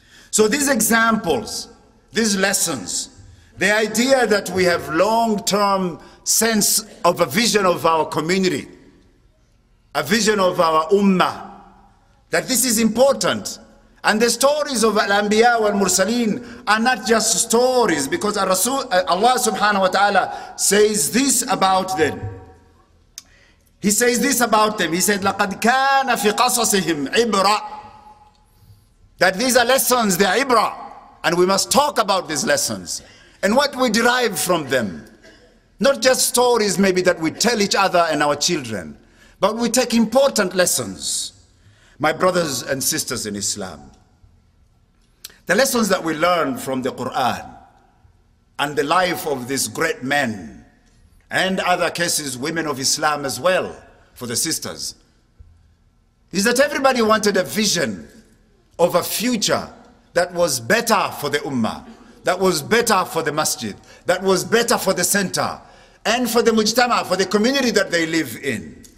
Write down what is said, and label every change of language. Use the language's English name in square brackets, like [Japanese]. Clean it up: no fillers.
[English] So these examples, these lessons, the idea that we have long-term sense of a vision of our community, a vision of our ummah, that this is important. And the stories of Al-Anbiya wal-Mursaleen are not just stories, because Allah subhanahu wa ta'ala says this about them. He says this about them. He said, [Arabic] لَقَدْ كَانَ فِي قَصَصِهِمْ عِبْرَةً. [English] That these are lessons, they are ibra, and we must talk about these lessons and what we derive from them. Not just stories maybe that we tell each other and our children, but we take important lessons. My brothers and sisters in Islam, the lessons that we learn from the Quran and the life of these great men and other cases, women of Islam as well, for the sisters, is that everybody wanted a vision of a future that was better for the ummah, that was better for the masjid, that was better for the center, and for the mujtama, for the community that they live in.